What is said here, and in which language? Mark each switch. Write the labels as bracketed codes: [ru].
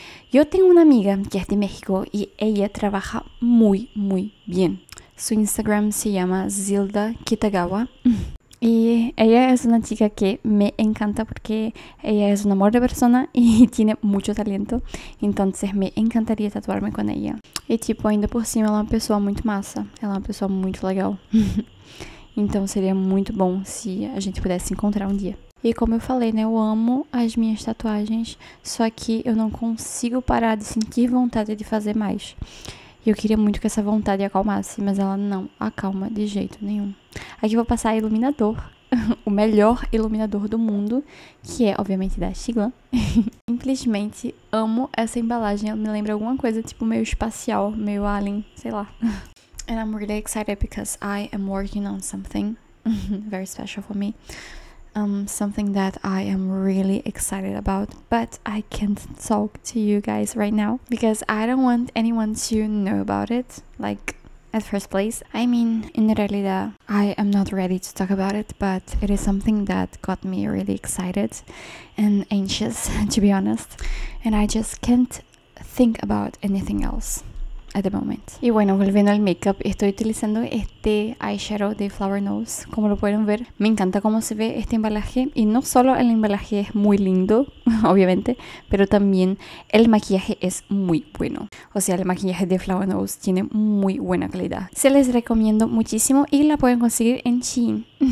[es] Yo tengo una amiga que es de México y ella trabaja muy, muy bien. Su Instagram se llama Zilda Kitagawa. Y ella es una chica que me encanta porque ella es un amor de persona y tiene mucho talento. Entonces me encantaría tatuarme con ella. Y tipo, [pt] ainda por cima, ela é uma pessoa muito massa. Ela é uma pessoa muito legal. Então seria muito bom se a gente pudesse encontrar um dia. E como eu falei, né? Eu amo as minhas tatuagens. Só que eu não consigo parar de sentir vontade de fazer mais. E eu queria muito que essa vontade acalmasse. Mas ela não acalma de jeito nenhum. Aqui eu vou passar iluminador. O melhor iluminador do mundo. Que é, obviamente, da Shiglan. Simplesmente amo essa embalagem. Ela me lembra alguma coisa, tipo, meio espacial. Meio alien. Sei lá. [en] And I'm really excited because I am working on something very special for me. Something that I am really excited about, but I can't talk to you guys right now because I don't want anyone to know about it, like at first place. I mean, in realidad, I am not ready to talk about it, but it is something that got me really excited and anxious, to be honest. And I just can't think about anything else at the moment. [es] Y bueno, volviendo al makeup, estoy utilizando este eyeshadow de Flower Nose. Como lo pueden ver, me encanta cómo se ve este embalaje. Y no solo el embalaje es muy lindo, obviamente, pero también el maquillaje es muy bueno. O sea, el maquillaje de Flower Nose tiene muy buena calidad. Se les recomiendo muchísimo y la pueden conseguir en Shein.